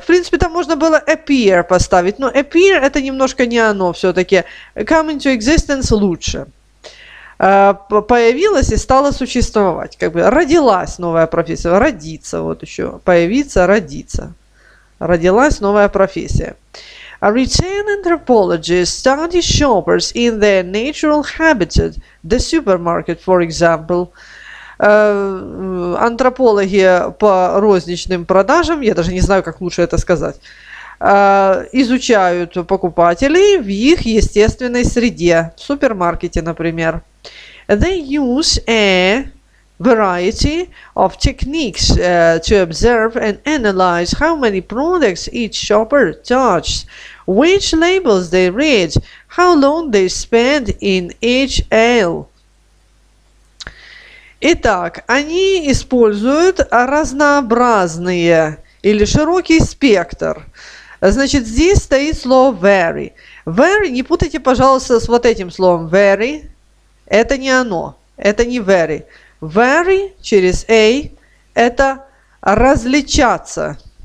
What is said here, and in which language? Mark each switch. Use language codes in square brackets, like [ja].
[ru] В принципе, там можно было appear поставить. Но appear – это немножко не оно все-таки. [en] Come into existence [ru] лучше. Появилась и стала существовать. Как бы родилась новая профессия. Родиться. Вот еще. Появиться, родиться. Родилась новая профессия. [en] A retail anthropologist studies shoppers in their natural habitat, the supermarket, for example. [ru] Антропологи по розничным продажам, я даже не знаю, как лучше это сказать, изучают покупателей в их естественной среде, в супермаркете, например. [en] They use a variety of techniques to observe and analyze how many products each shopper touches, which labels they read, how long they spend in each aisle. [ru] Итак, они используют разнообразные или широкий спектр. Значит, здесь стоит слово vary. Vary, не путайте, пожалуйста, с вот этим словом vary. Это не оно, это не vary. Vary через A – это различаться.